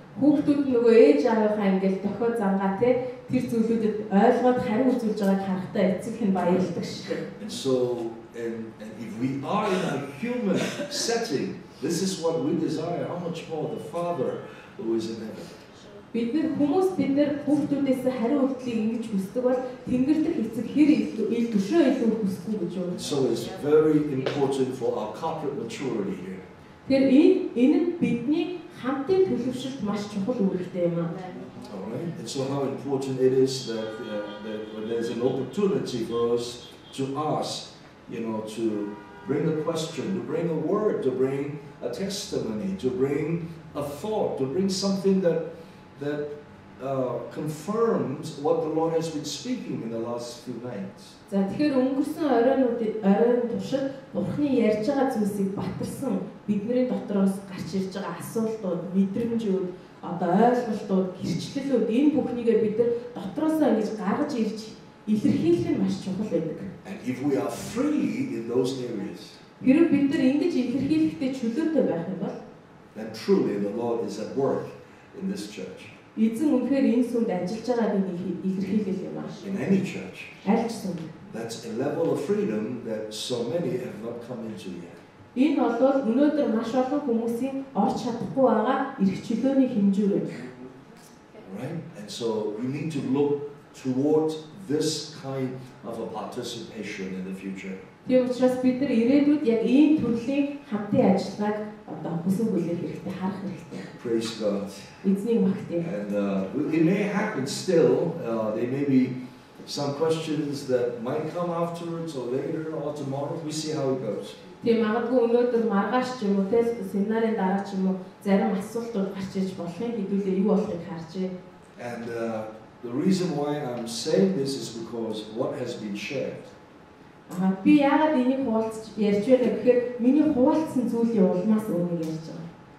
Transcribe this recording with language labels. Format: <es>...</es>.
<mn>Хүүхдүүд нөгөө ээж аавынхаа ингээл тохиол замгаа тэр зүйлүүдэд ойлгоод хариу үзүүлж байгааг харахтаа эцэг нь баярлдаг шүү.</mn> <en>So and if we are in a human setting, this is what we desire. How much more the father who is in heaven.</en> <mn>Бид нар хүмүүс бид нар хүмүүстээс хариу үйлдэлийг ингэж хүсдэг бол тэнгэрлэх эцэг хэр ил төшөө илүү хүсэхгүй гэж байна.</mn> <en>So it's very important for our corporate maturity here.</en> <mn>Тэр энэ нь бидний хамтын төлөвшөлт маш чухал үүрэгтэй юм аа.</mn> <en>It's so how important it is that when there's an opportunity for us to ask, you know, to bring a question, to bring a word, to bring a testimony, to bring a thought, to bring something that confirms what the Lord has been speaking in the last few nights.</en> <mn>За тэгэхээр өнгөрсөн оройн туршид Бурхны ярьж байгаа зүйлсийг батарсан бидний дотроос гарч ирж байгаа асуултууд, мэдрэмжүүд, одоо ойлголтууд, хэрчлэлүүд энэ бүхнийгээ бид нар дотроос ингэж гаргаж ирж илэрхийлэх нь маш чухал байдаг.</mn> <en>And if we are free in those areas.</en> <mn>Хэрэв бид нар ингэж илэрхийлэхдээ чөлөөтэй байх юм бол</mn> <en>then truly the Lord is at work. In this church.</en> <mn>Эзэн үнэхээр энэ сүнд ажиллаж байгааг би илэрхийлэх юм аа.</mn> <en>In any church.</en> <mn>Аль ч сүнд.</mn> <en>That's a level of freedom that so many have not come into yet.</en> <mn>Энэ бол өнөөдөр маш олон хүмүүсийн орж чадахгүй байгаа эрх чөлөөний хэмжүүр байна.</mn> <en>Right? And so we need to look towards this kind of a participation in the future.</en> <mn>Тэгвэл учраас бид нар ирээдүйд яг ийм төрлийн хамтын ажиллагааг одоо хүсэн хүлээх хэрэгтэй харах хэрэгтэй.</mn> <en>Praise God.</en> <mn>Эзний магтээ.</mn> <en>And it may happen still. There may be some questions that might come afterwards or later or tomorrow. We see how it goes.</en> <mn>Тэгээд магадгүй өнөөдөр маргааш ч юм уу те семинарын дараа ч юм уу зарим асуултууд гарч иж болох юм хэдүүлээ юу болохыг харжээ.</mn> <en>And the reason why I'm saying this is because what has been shared.</en> <mn>Аа би яагаад энийг хуулцж ярьж байгаа гэхээр миний хуулцсан зүйл юулмаас өөнийг ярьж байгаа.</mn>